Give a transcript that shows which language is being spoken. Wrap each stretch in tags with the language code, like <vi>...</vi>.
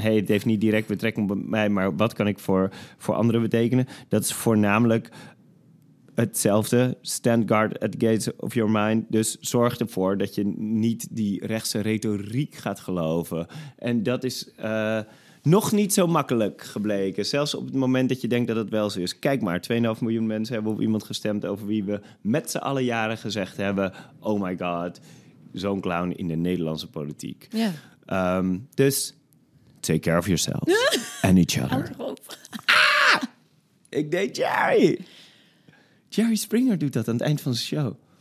<nl>hey, het heeft niet direct betrekking op mij... maar wat kan ik voor anderen betekenen? Dat is voornamelijk hetzelfde.</nl> <en>Stand guard at the gates of your mind.</en> <nl>Dus zorg ervoor dat je niet die rechtse retoriek gaat geloven. En dat is nog niet zo makkelijk gebleken. Zelfs op het moment dat je denkt dat het wel zo is. Kijk maar, 2,5 miljoen mensen hebben op iemand gestemd over wie we met z'n allen jaren gezegd hebben, oh my god, zo'n clown in de Nederlandse politiek.</nl> <en>Yeah. Dus take care of yourselves and each other.</en> <nl>Ik deed Jerry! Jerry Springer doet dat aan het eind van zijn show.</nl>